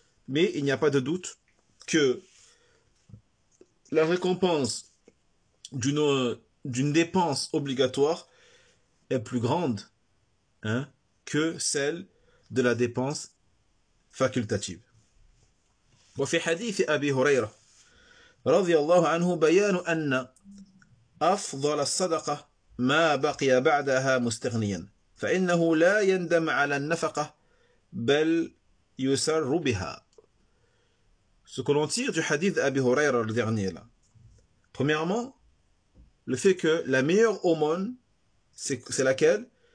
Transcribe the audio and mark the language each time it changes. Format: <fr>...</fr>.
<fr>Mais il n'y a pas de doute que la récompense d'une dépense obligatoire est plus grande que celle de la dépense facultative.</fr> <ar>وفي حديث أبي هريرة رضي الله عنه بيان أن أفضل الصدقة ما بقي بعدها مستغنيا فإنه لا يندم على النفقة بل يسر بها.</ar> <fr>Ce que l'on tire du hadith d'Abi Huraira, le dernier là. Premièrement, le fait que la meilleure aumône, c'est laquelle?</fr>